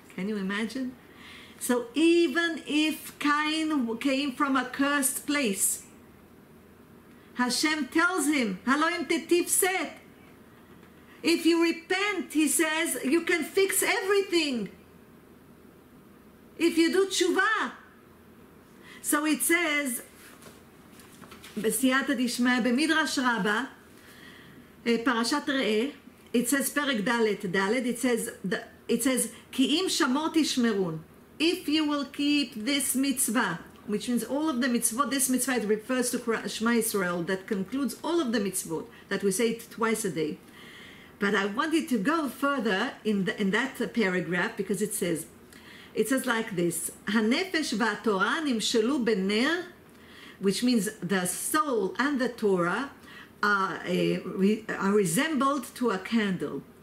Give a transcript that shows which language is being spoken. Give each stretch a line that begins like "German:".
English: Can you imagine? So even if Cain came from a cursed place, Hashem tells him,
Hebrew: Haloim tetiv set.
English: If you repent, He says, you can fix everything. If you do tshuva. So it says,
Hebrew: בסייעתא דשמיא, במדרש רבה, פרשת ראה, it says, פרק ד', it says, כי אם שמור תשמרון,
English: if you will keep this mitzvah, which means all of the mitzvot, this mitzvah, it refers to Shema Yisrael, that concludes all of the mitzvot, that we say it twice a day. But I wanted to go further in that paragraph, because it says like this,
Hebrew: HaNefesh VaTorah Nimshelu BeNer,
English: which means the soul and the Torah are resembled to a candle.